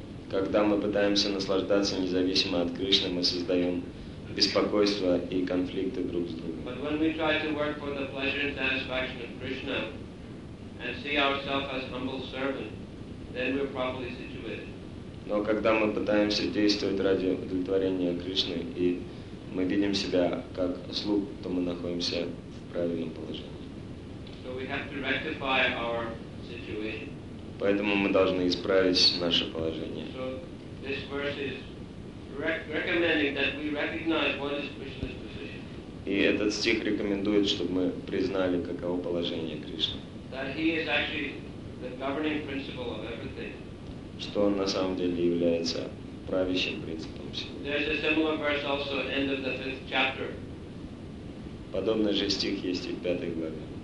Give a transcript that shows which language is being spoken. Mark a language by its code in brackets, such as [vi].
[ru] Когда мы пытаемся наслаждаться независимо от Кришны, мы создаем беспокойство и конфликты друг с другом. [en] But when we try to work for the pleasure and satisfaction of Krishna and see ourselves as humble servant, then we're properly situated. [ru] Но когда мы пытаемся действовать ради удовлетворения Кришны, и мы видим себя как слуг, то мы находимся в правильном положении. [en] So we have to rectify our situation. [ru] Поэтому мы должны исправить наше положение. [en] So this verse is recommending that we recognize what is Krishna's position. [ru] И этот стих рекомендует, чтобы мы признали, каково положение Кришны. [en] That he is actually the governing principle of everything. [ru] Что он на самом деле является правящим принципом всего. [en] There's a similar verse also at the end of the fifth chapter. [ru] Подобный же стих есть и в пятой главе.